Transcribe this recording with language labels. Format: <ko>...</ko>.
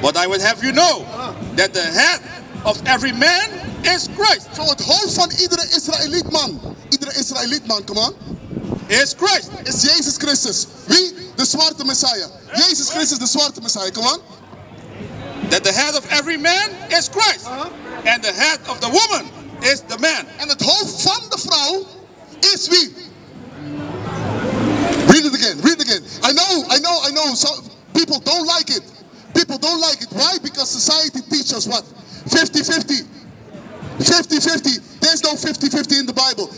<en>But I would have you know that the head of every man is Christ.</en> <nl>So het hoofd van iedere Israëliet man. Iedere Israëliet man,</nl> <en>come on. Is Christ.</en> <nl>Is Jezus Christus. Wie? De zwarte Messiah. Jezus Christus, de zwarte Messiah.</nl> <en>Come on. That the head of every man is Christ. Uh-huh. And the head of the woman is the man.</en> <nl>En het hoofd van de vrouw is wie?</nl> <en>Read it again. Read it again. I know. So people don't like it. People don't like it. Why? Because society teaches what? 50-50. 50-50. There's no 50-50 in the Bible.</en>